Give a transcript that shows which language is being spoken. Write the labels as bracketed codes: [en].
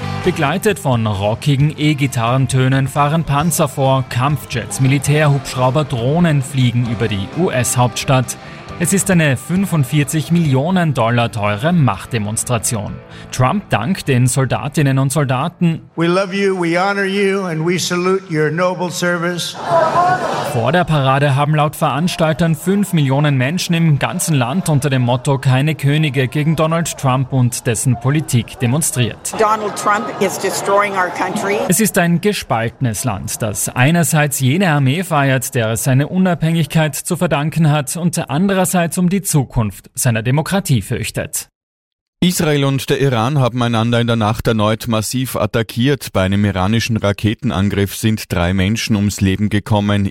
[de] Begleitet von rockigen E-Gitarrentönen fahren Panzer vor, Kampfjets, Militärhubschrauber, Drohnen fliegen über die US-Hauptstadt. Es ist eine 45 Millionen Dollar teure Machtdemonstration. Trump dankt den Soldatinnen und Soldaten. [en] We love you, we honor you and we salute your noble service. [de] Vor der Parade haben laut Veranstaltern 5 Millionen Menschen im ganzen Land unter dem Motto "Keine Könige" gegen Donald Trump und dessen Politik demonstriert. [en] Donald Trump is destroying our country. [de] Es ist ein gespaltenes Land, das einerseits jene Armee feiert, der seine Unabhängigkeit zu verdanken hat und andererseits um die Zukunft seiner Demokratie fürchtet. Israel und der Iran haben einander in der Nacht erneut massiv attackiert. Bei einem iranischen Raketenangriff sind 3 Menschen ums Leben gekommen.